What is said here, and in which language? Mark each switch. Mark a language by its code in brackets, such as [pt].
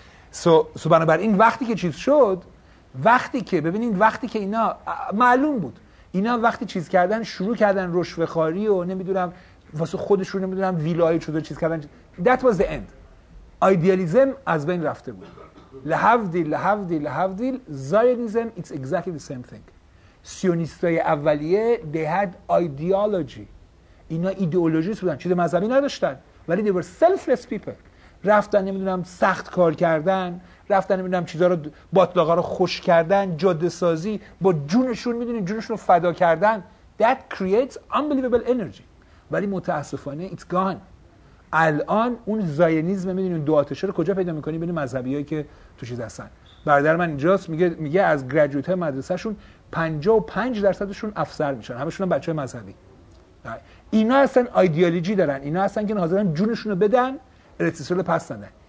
[fa] سو بنابراین وقتی که چیز شد، وقتی که ببینید، وقتی که اینا معلوم بود، اینا وقتی چیز کردن شروع کردن رشوه‌خواری و نمیدونم واسه خودشون نمیدونم ویلای چطور چیز کردن، [en] that was the end. [fa] ایدئالیسم از بین رفته بود. لهفدیل زایونیسم [en] it's exactly the same thing. [fa] سیونیستای اولیه [en] they had ideology. [fa] اینا ایدئولوژیست بودن، چیز مذهبی نداشتن، ولی [en] they were selfless people. [fa] رفتن نمیدونم سخت کار کردن، رفتن نمیدونم چیزها رو باطلاقا رو خوش کردن، جاده سازی با جونشون، میدونین جونشون رو فدا کردن. [en] that creates unbelievable energy. [fa] ولی متاسفانه [en] it's gone. [fa] الان اون زاینیزم میدونی دو آتشه رو کجا پیدا میکنی؟ بین مذهبیایی که تو چیز هستن. برادر من اینجاست، میگه از گریجویت های مدرسه شون 55% افسر میشن، همشون هم بچهای مذهبی. اینا هستن ایدئولوژی دارن، اینا هستن که حاضرن جونشون رو بدن ارتسول پس ندن.